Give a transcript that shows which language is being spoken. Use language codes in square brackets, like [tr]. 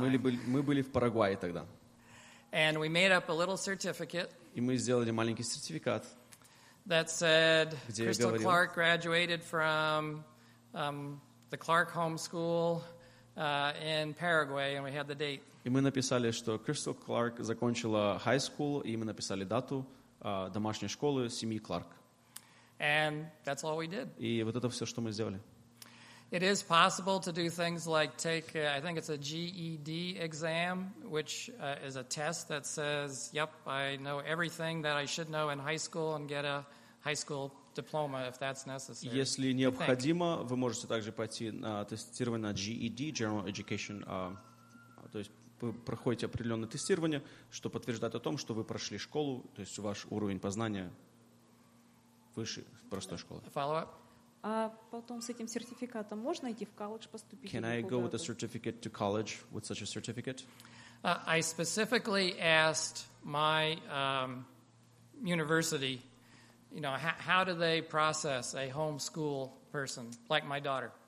[ru] Мы были в Парагвае тогда. [en] And we made up a little certificate. [ru] И мы сделали маленький сертификат. [en] That said, Crystal Clark graduated from the Clark Home School in Paraguay, and we had the date. [ru] И мы написали, что Crystal Clark закончила high school, и мы написали дату домашней школы семьи Clark. [en] And that's all we did. [ru] И вот это все, что мы сделали. [en] It is possible to do things like take, I think it's a GED exam, which is a test that says, yep, I know everything that I should know in high school and get a high school diploma if that's necessary. [ru] Если необходимо, вы можете также пойти на тестирование на GED, General Education, то есть вы проходите определенное тестирование, что подтверждает о том, что вы прошли школу, то есть ваш уровень познания выше простой школы. [en] Follow-up. [ru] А потом с этим сертификатом можно идти в колледж поступить? [en] Can I go with a certificate to college with such a certificate? I specifically asked my university, you know, how do they process a homeschool person like my daughter?